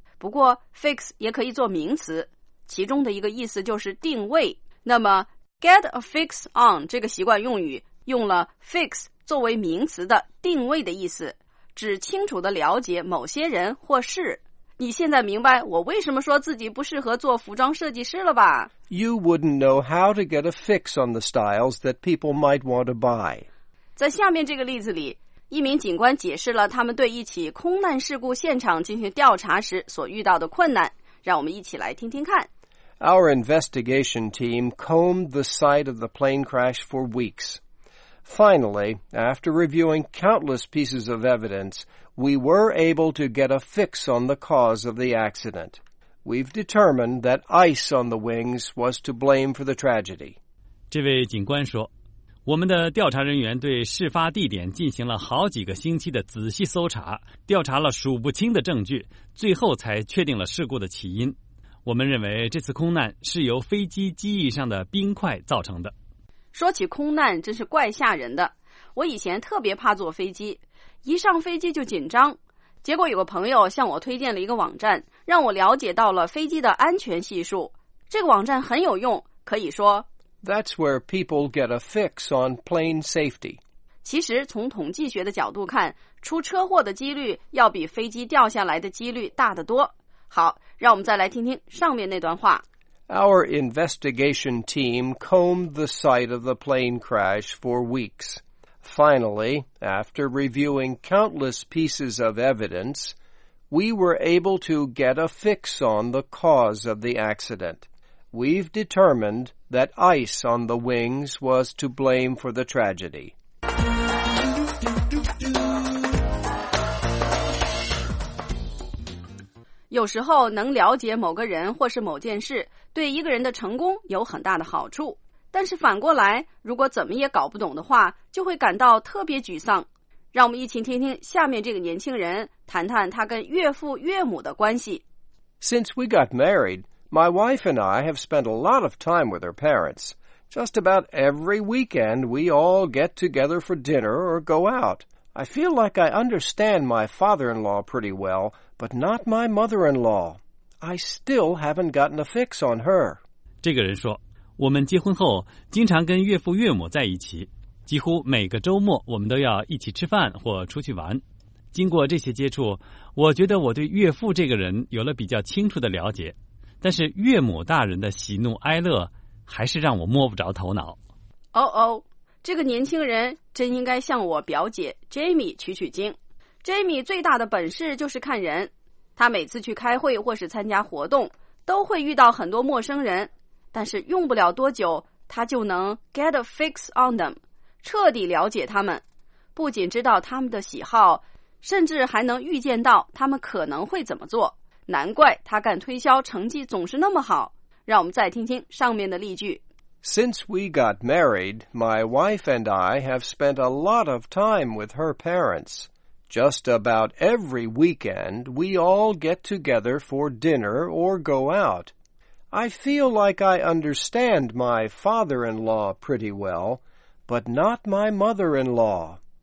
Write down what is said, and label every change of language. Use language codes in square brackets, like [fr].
[zh] 不过 fix 也可以做名词，其中的一个意思就是定位。那么 [en] get a fix on [zh] 这个习惯用语用了 fix 作为名词的定位的意思，指清楚地了解某些人或事。你现在明白我为什么说自己不适合做服装设计师了吧？ [en] You wouldn't know how to get a fix on the styles that people might want to buy. [zh] 在下面这个例子里，一名警官解释了他们对一起空难事故现场进行调查时所遇到的困难，让我们一起来听听看。 [en] Our investigation team combed the site of the plane crash for weeks. Finally, after reviewing countless pieces of evidence, we were able to get a fix on the cause of the accident. We've determined that ice on the wings was to blame for the tragedy. [zh] 这位警官说，我们的调查人员对事发地点进行了好几个星期的仔细搜查，调查了数不清的证据，最后才确定了事故的起因。我们认为这次空难是由飞机机翼上的冰块造成的。说起空难真是怪吓人的，我以前特别怕坐飞机，一上飞机就紧张。结果有个朋友向我推荐了一个网站，让我了解到了飞机的安全系数。这个网站很有用，可以说 [en] That's where people get a fix on plane safety. [zh] 其实从统计学的角度看，出车祸的几率要比飞机掉下来的几率大得多。好，让我们再来听听上面那段话。 [en] Our investigation team combed the site of the plane crash for weeks. Finally, after reviewing countless pieces of evidence, we were able to get a fix on the cause of the accident. We've determined that ice on the wings was to blame for the tragedy. [zh] 有时候能了解某个人或是某件事，对一个人的成功有很大的好处。但是反过来，如果怎么也搞不懂的话，就会感到特别沮丧。让我们一起听听下面这个年轻人谈谈他跟岳父岳母的关系。 [en] Since we got married,My wife and I have spent a lot of time with her parents. Just about every weekend, we all get together for dinner or go out. I feel like I understand my father-in-law pretty well, but not my mother-in-law. I still haven't gotten a fix on her. [zh] 这个人说，我们结婚后经常跟岳父岳母在一起，几乎每个周末我们都要一起吃饭或出去玩。经过这些接触，我觉得我对岳父这个人有了比较清楚的了解。但是岳母大人的喜怒哀乐还是让我摸不着头脑。哦哦，这个年轻人真应该向我表姐 Jamie 取取经。 Jamie 最大的本事就是看人，他每次去开会或是参加活动都会遇到很多陌生人，但是用不了多久他就能 [en] get a fix on them， [zh] 彻底了解他们，不仅知道他们的喜好，甚至还能预见到他们可能会怎么做。难怪他干推销成绩总是那么好。让我们再听听上面的例句。 [en] Since we got married, my wife and I have spent a lot of time with her parents. Just about every weekend, we all get together for dinner or go out. I feel like I understand my father-in-law pretty well, but not my mother-in-law.